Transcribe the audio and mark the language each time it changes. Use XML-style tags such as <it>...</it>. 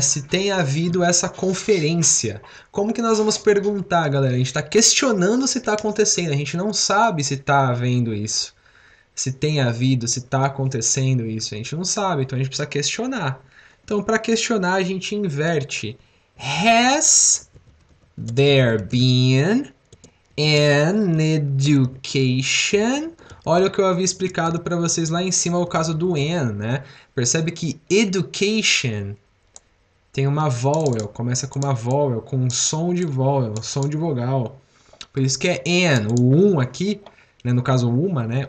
<pt>Se tem havido essa conferência. Como que nós vamos perguntar, galera? A gente está questionando se está acontecendo. A gente não sabe se está havendo isso, se tem havido, se está acontecendo isso. A gente não sabe. Então a gente precisa questionar. Então, para questionar, a gente inverte.</pt> <en>Has There been an education.</en> <pt>Olha o que eu havia explicado para vocês lá em cima, o caso do an, né? Percebe que education tem uma vowel, começa com uma vowel, com um som de vowel, som de vogal. Por isso que é an, o um aqui, né? No caso, uma, né?</pt>